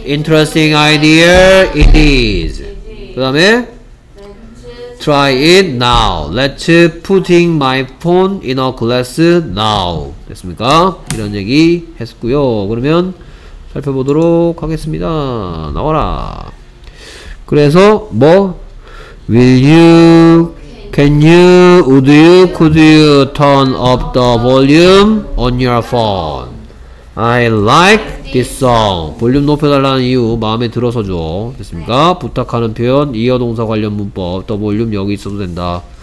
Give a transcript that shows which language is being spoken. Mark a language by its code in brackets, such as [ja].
[en] an interesting idea it is. [ko] 그 다음에 [en] try it now. Let's putting my phone in a glass now. [ko] 됐습니까? 이런 얘기 했고요. 그러면 살펴보도록 하겠습니다. 나와라. 그래서 뭐? [en] Will you, can you, would you, could you turn up the volume on your phone? I like this song. [ko] 볼륨 높여달라는 이유 마음에 들어서 줘. 됐습니까? 네. 부탁하는 표현, 이어 동사 관련 문법, 더 볼륨 여기 있어도 된다.